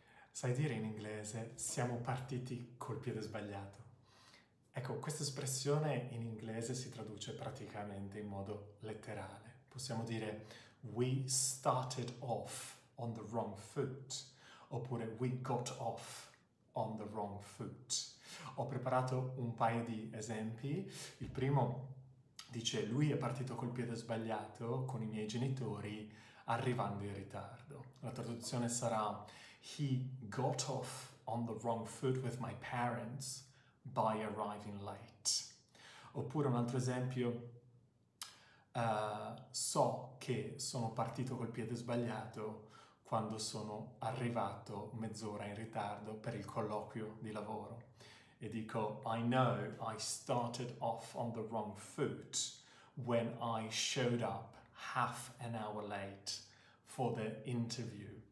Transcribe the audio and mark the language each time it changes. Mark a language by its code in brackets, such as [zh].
[it] Sai dire in inglese siamo partiti col piede sbagliato? Ecco, questa espressione in inglese si traduce praticamente in modo letterale. Possiamo dire [en] we started off on the wrong foot [it] oppure [en] we got off on the wrong foot. [it] Ho preparato un paio di esempi. Il primo dice lui è partito col piede sbagliato con i miei genitori, arrivando in ritardo. La traduzione sarà [en] He got off on the wrong foot with my parents by arriving late. [it] Oppure un altro esempio, so che sono partito col piede sbagliato quando sono arrivato mezz'ora in ritardo per il colloquio di lavoro. E dico, [en] I know I started off on the wrong foot when I showed up half an hour late for the interview.